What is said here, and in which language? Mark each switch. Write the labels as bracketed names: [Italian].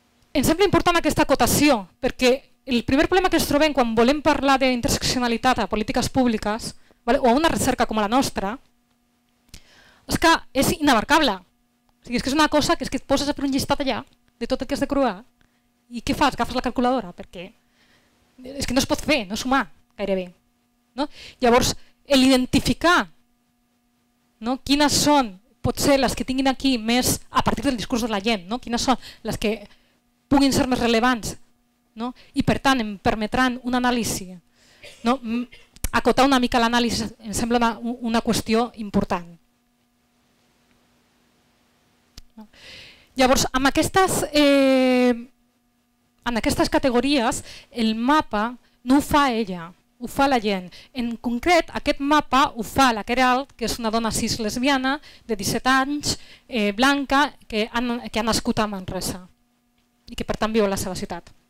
[Catalan] Em sembla important aquesta acotació, perquè el primer problema que ens trobem quan volem parlar d'interseccionalitat a polítiques públiques o a una recerca com la nostra, és que és inabarcable. O sigui, és que és una cosa que, és que et poses a fer un llistat allà de tot el que has de croar i què fas? Agafes la calculadora? Perquè és que no es pot fer, no sumar. Gairebé, no? Llavors, [Spanish] el identificar, no, quiénes son, puede ser las que tienen aquí más a partir del discurso de la gente, no, quiénes son las que pueden ser más relevantes, no, y por tanto em permitirán un análisis, no, acotar una mica el análisis, [Catalan] em sembla [Spanish] una cuestión importante. [Catalan] Llavors, amb aquestes, en aquestes categories, el mapa no ho fa ella, ho fa la gent. En concret, aquest mapa ho fa la Queralt, que és una dona cis lesbiana de 17 anys, blanca, que ha nascut a Manresa i que per tant viu a la seva ciutat.